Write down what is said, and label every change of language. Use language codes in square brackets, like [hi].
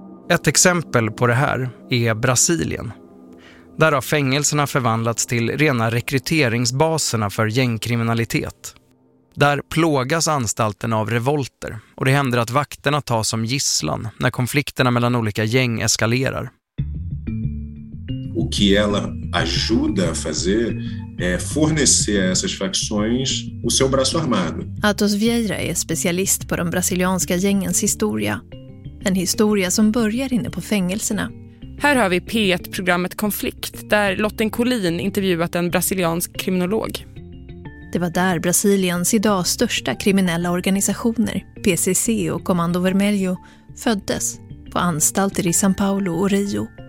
[sv] Ett exempel på det här är Brasilien. Där har fängelserna förvandlats till rena rekryteringsbaserna för gängkriminalitet. Där plågas anstalten av revolter, och det händer att vakterna tas som gisslan när konflikterna mellan olika gäng eskalerar. [pt] O que ela ajuda a fazer é fornecer a essas facções o seu braço armado. [sv] Atos Vieira är specialist på de brasilianska gängens historia. En historia som börjar inne på fängelserna. Här har vi P1-programmet Konflikt, där Lotten Collin intervjuat en brasiliansk kriminolog. Det var där Brasiliens idag största kriminella organisationer, PCC och Comando Vermelho, föddes på anstalter i São Paulo och Rio.